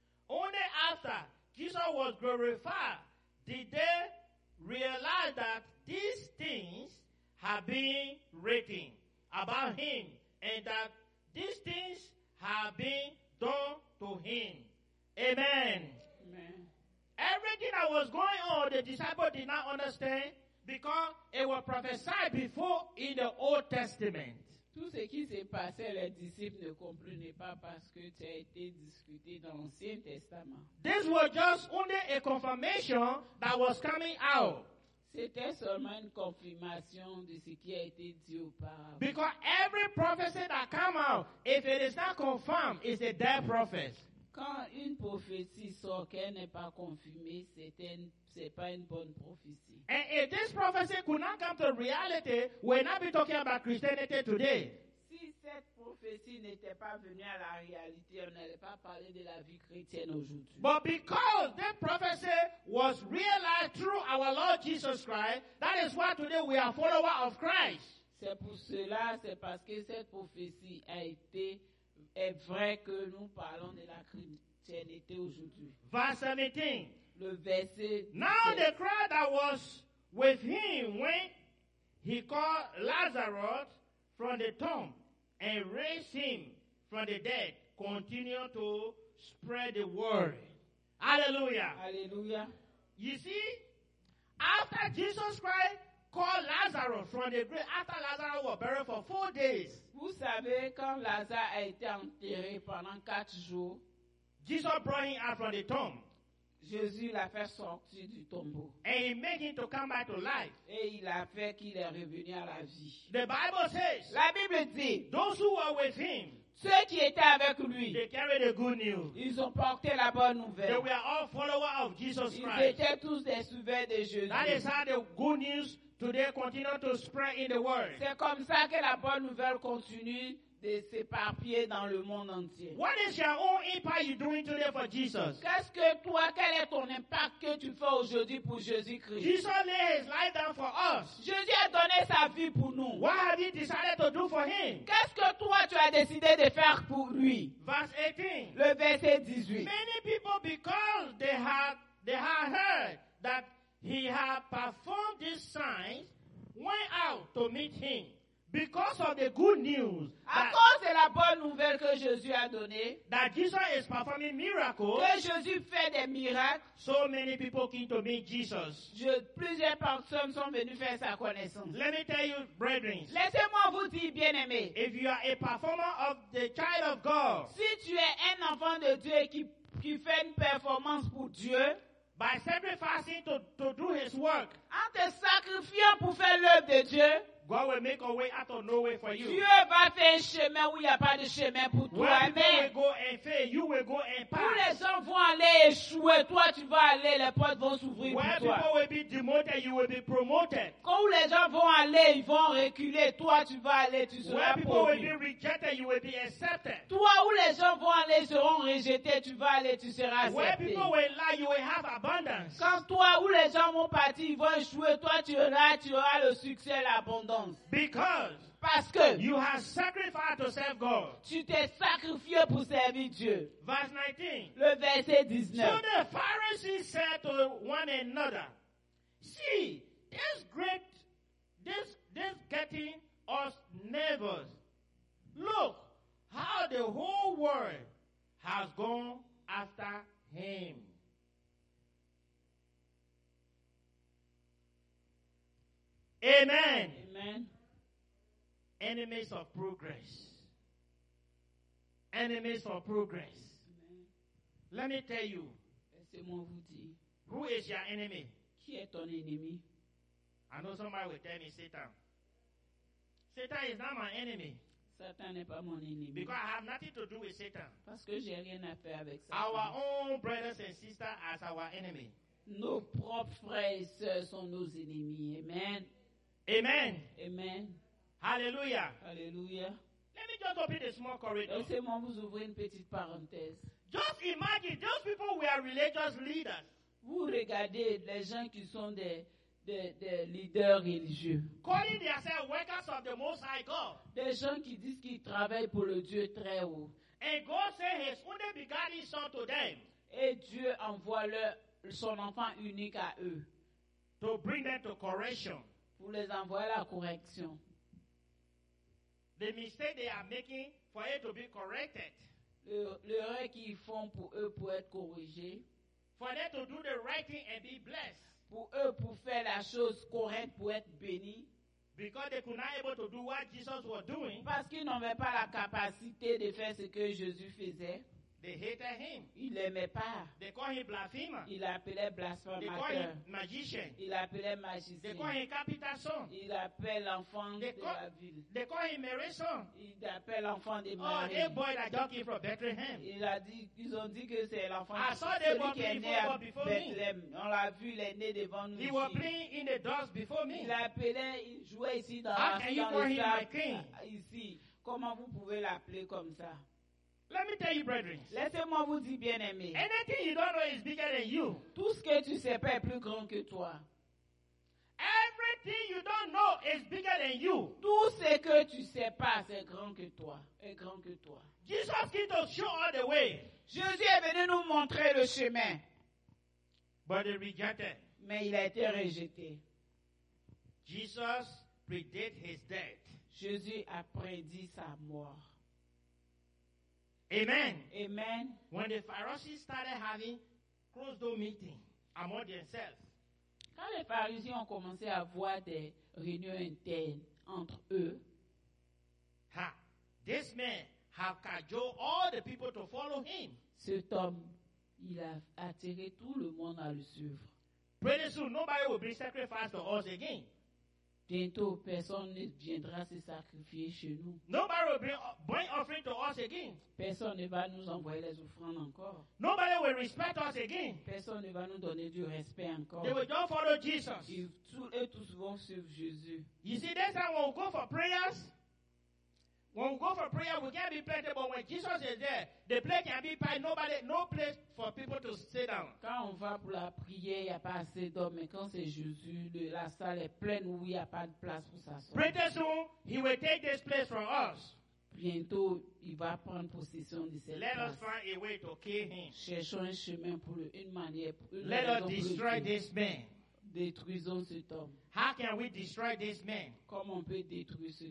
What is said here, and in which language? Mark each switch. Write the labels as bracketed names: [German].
[English] Only after Jesus was glorified did they realize that these things have been written about him and that these things have been done to him. Amen. Amen. Everything that was going on, the disciples did not understand because it was prophesied before in the Old Testament. [French] Tout ce qui s'est passé, les disciples ne comprenaient pas parce que ça a été discuté dans l'Ancien Testament. [English] This was just only a confirmation that was coming out. [French] C'était seulement une confirmation de ce qui a été dit auparavant. [English] Because every prophecy that comes out, if it is not confirmed, is a dead prophet. [French] Quand une prophétie sort qu'elle n'est pas confirmée, c'est pas une bonne prophétie. [English] And if this prophecy could not come to reality, we'll not be talking about Christianity today. [French] Si cette prophétie n'était pas venue à la réalité, on n'allait pas parler de la vie chrétienne aujourd'hui. [English] But because that prophecy was realized through our Lord Jesus Christ, that is why today we are followers of Christ. [French] C'est pour cela, c'est parce que cette prophétie a été est vrai que nous parlons de la chrétienté aujourd'hui. [English] Verse 17. [French] Le verset. [English] Now the crowd that was with him when he called Lazarus from the tomb and raised him from the dead continued to spread the word. Hallelujah. Hallelujah. You see, after Jesus Christ called Lazarus from the grave, after Lazarus was buried for 4 days, [French] vous savez, quand Lazare a été enterré pendant 4 jours, [English] Jesus brought him out from the tomb. [French] Jésus l'a fait sortir du tombeau. [English] And he made him to come back to life. [French] Et il a fait qu'il est revenu à la vie. [English] The Bible says, [French] la Bible dit, [English] those who were with him, [French] ceux qui étaient avec lui, [English] they carried the good news. [French] Ils ont porté la bonne nouvelle. [English] They were all followers of Jesus [French] ils [English] Christ. [French] Ils étaient tous des suiveurs de Jésus. [English] That is how the good news today continue to spread in the world. [French] C'est comme ça que la bonne nouvelle continue de s'éparpiller dans le monde entier. [English] What is your own impact you doing today for Jesus? [French] Qu'est-ce que toi, quel est ton impact que tu fais aujourd'hui pour Jésus-Christ? [English] Jesus laid his life down for us. [French] Jésus a donné sa vie pour nous. [English] What have you decided to do for him? [French] Qu'est-ce que toi, tu as décidé de faire pour lui? [English] Verse 18. [French] Le verset 18. [English] Many people, because they have heard that he had performed these signs, went out to meet him because of the good news. [French] À cause de la bonne nouvelle que Jésus a donnée, [English] that Jesus is performing miracles. [French] Que Jésus fait des miracles. [English] So many people came to meet Jesus. [French] Plusieurs personnes sont venues faire sa connaissance. [English] Let me tell you, brethren. [French] Laissez-moi vous dire, bien-aimés. [English] If you are a performer of the child of God, [French] si tu es un enfant de Dieu qui fait une performance pour Dieu, [English] by sacrificing to do his work, [French] en te sacrifiant pour faire l'œuvre de Dieu, [English] God will make a way out of nowhere for you. [French] Dieu va faire un chemin où il n'y a pas de chemin pour toi. [English] Where people will go and fail, you will go and pass. [French] Où les hommes vont aller échouer, toi tu vas aller, les portes vont s'ouvrir [English] Where [French] pour toi. [English] Where people will be demoted, you will be promoted. [French] Quand où les gens vont aller, ils vont reculer, toi tu vas aller, tu seras [English] Where people [French] promu. [English] Will be rejected, you will be accepted. [French] Toi où les gens vont aller, ils seront rejetés, tu vas aller, tu seras accepté. [English] Where people will lie, you will have abundance. [French] Quand toi où les gens vont partir, ils vont échouer, toi tu auras le succès, l'abondance. [English] Because [French] Parce que [English] you have sacrificed to serve God. [French] Tu t'es sacrifié pour servir Dieu. [English] Verse 19. [French] Le verset 19. [English] So the Pharisees said to one another, "See, this getting us neighbors. Look how the whole world has gone after him." Amen. Amen. Enemies of progress. Enemies of progress. Amen. Let me tell you. [French] Laissez-moi vous dire. [English] Who is your enemy? [French] Qui est ton ennemi? [English] I know somebody will tell me Satan. Satan is not my enemy. [French] Satan n'est pas mon ennemi. [English] Because I have nothing to do with Satan. [French] Parce que j'ai rien à faire avec Satan. [English] Our own brothers and sisters are our enemy. [French] Nos propres frères et sœurs sont nos ennemis. Amen. Amen. Amen. Hallelujah. Hallelujah. [English] Let me just open a small corridor. [French] Laissez-moi vous ouvrir une petite parenthèse. [English] Just imagine, those people were religious leaders. [French] Vous regardez les gens qui sont des leaders religieux. [English] Calling themselves workers of the Most High God. [French] Des gens qui disent qu'ils travaillent pour le Dieu très haut. [English] And God sent His only begotten Son to them. [French] Et Dieu envoie son enfant unique à eux. [English] To bring them to correction. [French] Pour les envoyer à la correction. [English] The mistake they are making for it to be corrected. [French] L'erreur qu'ils font pour eux pour être corrigés. [English] For them to do the right thing and be blessed. [French] Pour eux pour faire la chose correcte pour être bénis. [English] Because they could not able to do what Jesus was doing. [French] Parce qu'ils n'avaient pas la capacité de faire ce que Jésus faisait. [English] They hated him. [French] Ils l'aimaient pas. [English] They call him blasphemer. [French] Ils l'appelaient blasphémateur. [English] They call him magician. [French] Ils l'appelaient magicien. [English] They call him capital son. [French] Ils l'appellent l'enfant de la ville. [English] They call him Mary son. [French] Ils l'appellent l'enfant de Marie. [English] Oh, they boy that just came from Bethlehem. [French] Ils ont dit que c'est l'enfant. [English] I saw the boy before Bethlehem. [French] On l'a vu, il est né devant nous. [English] He was playing in the dust before me. [French] Il l'appelait, il jouait ici dans [English] How can you call him my king? [French] Ici, comment vous pouvez l'appeler comme ça? [English] Let me tell you, brethren. [French] Laissez-moi vous dire, bien-aimés. [English] Anything you don't know is bigger than you. [French] Tout ce que tu sais pas est plus grand que toi. [English] Everything you don't know is bigger than you. [French] Tout ce que tu sais pas c'est grand que toi. Est grand que toi. [English] Jesus came to show all the way. [French] Jésus est venu nous montrer le chemin. [English] But he rejected. [French] Mais il a été rejeté. [English] Jesus predicted his death. [French] Jésus a prédit sa mort. Amen. Amen. [English] When the Pharisees started having closed door meeting among themselves, [French] quand les Pharisiens ont commencé à avoir des réunions internes entre eux, [English] ha, this man have cajoled all the people to follow him. [French] Cet homme, il a attiré tout le monde à le suivre. [English] Pretty soon, nobody will bring sacrifice to us again. [French] Bientôt, personne ne viendra se sacrifier chez nous. [English] Nobody will bring offering to us again. [French] Personne ne va nous envoyer les offrandes encore. [English] Nobody will respect us again. [French] Personne ne va nous donner du respect encore. [English] They will just follow Jesus. [French] Ils vont suivre Jésus. [English] You see, that's how when we go for prayers, when we go for prayer, we can't be plenty, but when Jesus is there, the place can be packed. Nobody, no place for people to sit down. [French] Quand on va pour la prière, il n'y a pas assez d'hommes, mais quand c'est Jésus, la salle est pleine où il n'y a pas de place pour s'asseoir. [English] Pretty soon, he will take this place from us. [French] Bientôt, il va prendre possession de cette [English] Let [French] place. [English] Let us find a way to kill him. [French] Cherchons un chemin pour une manière. [English] Let us destroy this man. [French] Détruisons cet homme. [English] How can we destroy this man? [French] Comment on peut détruire cet